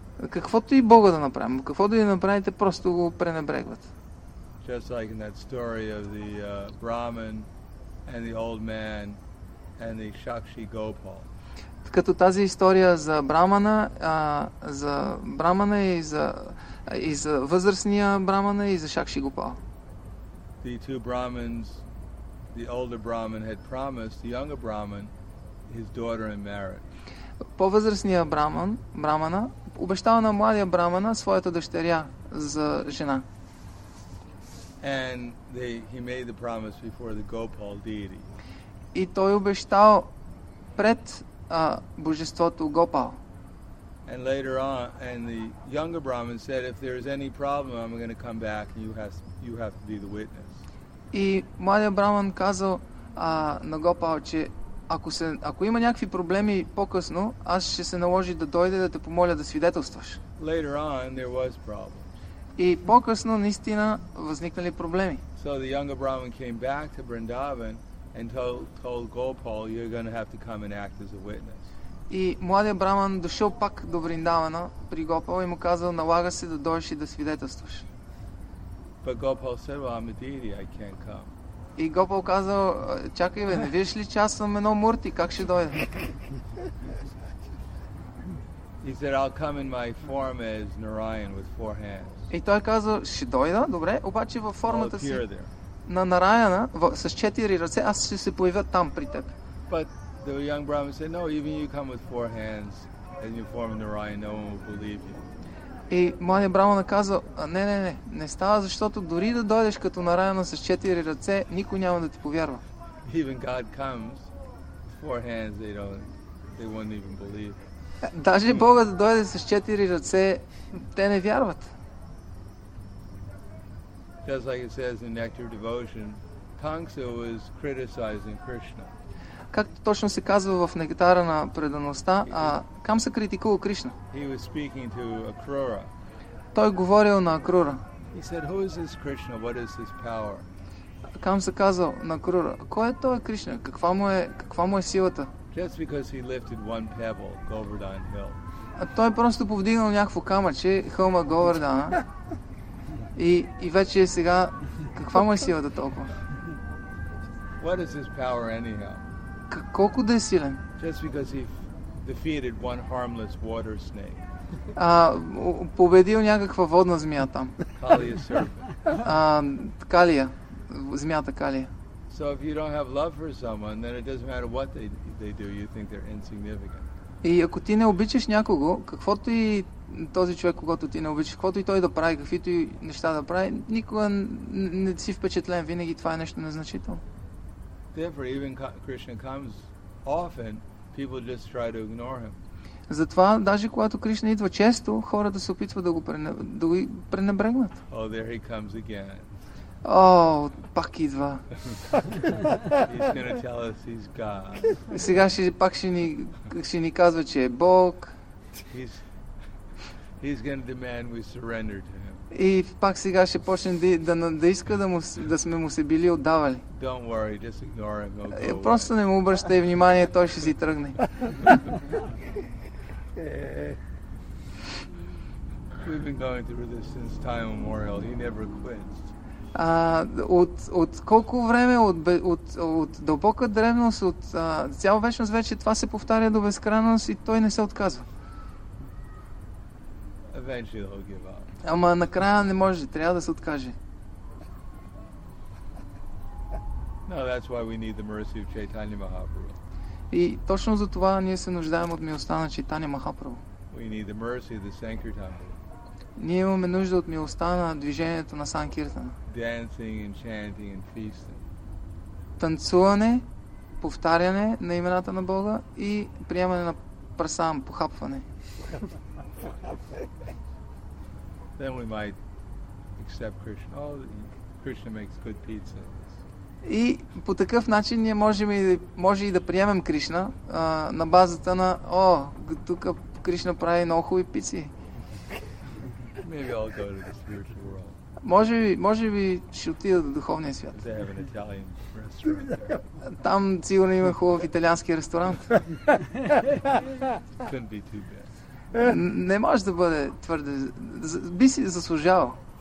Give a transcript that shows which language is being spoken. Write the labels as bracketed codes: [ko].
[bg] Каквото и Бога да направим, каквото и да направите, просто го пренебрегват. [en] Just like in that story of the Brahman and the old man and the Shakshi Gopal. [bg] Като тази история за Брамана, за Брамана и за възрастния Брамана и за Шакши Гопал. [en] The two Brahmins, the older Brahman had promised the younger Brahman his daughter in marriage. [bg] По-възрастния Брамана обещава на младия Брамана своята дъщеря за жена. [en] And he made the promise before the Gopal deity. [bg] И той обещал пред божеството Гопал. [en] And later on, and the younger Brahmin said, if there is any problem, I'm going to come back, and you have to be the witness. [bg] И младият Браман казал на Гопал, че ако има някакви проблеми по-късно, аз ще се наложи да дойде да те помоля да свидетелстваш. [en] Later on, there was problems. [bg] И по-късно наистина възникнали проблеми. [en] So the younger Brahman came back to Vrindavan and told Gopal, you're going to have to come and act as a witness. [bg] И младият Браман дошъл пак до Вриндавана при Гопал и му казал, налага се да дойдеш и да свидетелстваш. [en] But Gopal said, well, I'm a deity, I can't come. [bg] И Гопал казал, чакай бе, не видиш ли, че аз съм едно мурти, как ще дойда? [en] He said, I'll come in my form as Narayan with four hands. [bg] И той казал, ще дойда, добре, обаче във формата си на Нараяна, с четири ръце, аз ще се появя там при теб. [en] But the young Brahman said, no, even you come with four hands and you form Narayan, no one will believe you. [bg] И младият Браман казал, не става, защото дори да дойдеш като Нараяна с четири ръце, никой няма да ти повярва. [en] Even God comes, four hands, they won't even believe. [bg] Даже Бога да дойде с четири ръце, те не вярват. [en] Just like it says in Nectar of Devotion, Kangsa was criticizing Krishna. [bg] Както точно се казва в Нектара на предаността, Камса критикува Кришна. [en] He was speaking to Акрура. [bg] Той говорил на Акрура. [en] He said, who is this Krishna? What is his power? [bg] Камса казал на Акрура, кой е той Кришна? Каква му е силата? [en] Just because he lifted one pebble, Govardhan Hill. [bg] Той просто повдигнал някакво камъче, хълма Говардана. И вече сега, каква му е силата толкова? [en] What is his power anyhow? [bg] Колко да е силен? [en] Just because he defeated one harmless water snake. [bg] Победил някаква водна змия там. [en] Калия серпент. [bg] Калия. Змията Калия. [en] So if you don't have love for someone, then it doesn't matter what they do, you think they're insignificant. [bg] И ако ти не обичаш някого, каквото и този човек, когато ти не обичаш, каквото и той да прави, каквито и неща да прави, никога не си впечатлен, винаги това е нещо незначително. [en] Therefore, even Krishna comes often, people just try to ignore him. [bg] Затова, даже когато Кришна идва често, хората се опитват да го пренебрегнат. [en] Oh, there he comes again. [bg] Oh, пак идва. [en] He's going to tell us he's God. [bg] Сега ще ни казва, че е Бог. [en] He's going to demand we surrender to him. [bg] И пак сега ще почне да иска да сме му се били отдавали. [en] Don't worry, just ignore him. He'll go away. [bg] Просто не му обръщай внимание, той ще си тръгне. [en] We've been going through this since time immemorial. He never quits. [bg] От колко време, от дълбока древност, от цяла вечност вече това се повтаря до безкрайност и той не се отказва. [en] Eventually he'll give up. [bg] Ама накрая не може, трябва да се откаже. [en] No, that's why we need the mercy of Chaitanya Mahaprabhu. [bg] И точно за това ние се нуждаем от милостта на Чайтанья Махапрабху. [en] We need the mercy of the Sankirtan. [bg] Ние имаме нужда от милостта на движението на Санкиртана. [en] Dancing and chanting and feasting. [bg] Танцуване, повтаряне на имената на Бога и приемане на прасам, похапване. [en] Then we might accept Krishna. Oh, Krishna makes good pizza. [bg] И по такъв начин ние може и да приемем Кришна на базата на тук Кришна прави много хубави пици. [en] Maybe I'll go to the spiritual world. [bg] Може би ще отида до духовния свят. [en] They have an Italian restaurant. [bg] Там сигурно има хубав италиански ресторант. [en] Couldn't be too bad. [bg] Не може да бъде твърде. Би си заслужавал.